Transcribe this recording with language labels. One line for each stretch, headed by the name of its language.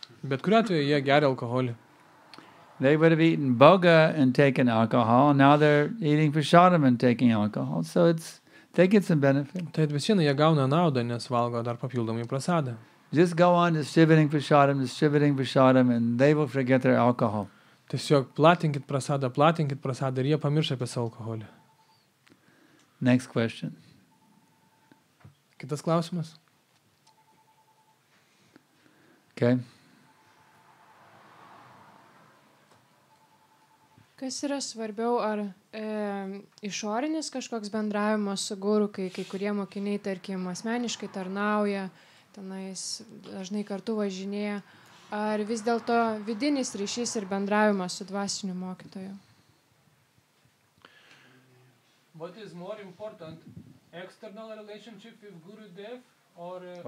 Lithuanian: Bet kuriuo atveju jie geria alkoholį.
English: They would have eaten boga and taken alcohol, and now they're eating prasadam and taking alcohol. So they get some benefit.
Lithuanian: Tai vis viena, jie gauna naudą, nes valgo dar papildomai prasadą.
English: Just go on distributing prasadam, and they will forget their alcohol.
Lithuanian: Tiesiog platinkit prasadą, ir jie pamirš apie savo alkoholį.
English: Next question.
Lithuanian: Kitas klausimas?
English: Okay.
Lithuanian: Kas yra svarbiau, ar išorinis kažkoks bendravimas su guru, kai kurie mokiniai, tarkim, asmeniškai tarnauja, tenais dažnai kartu važinėja, ar vis dėlto vidinis ryšys ir bendravimas su dvasiniu mokytoju?
English: What is more important, external relationship with Guru Dev or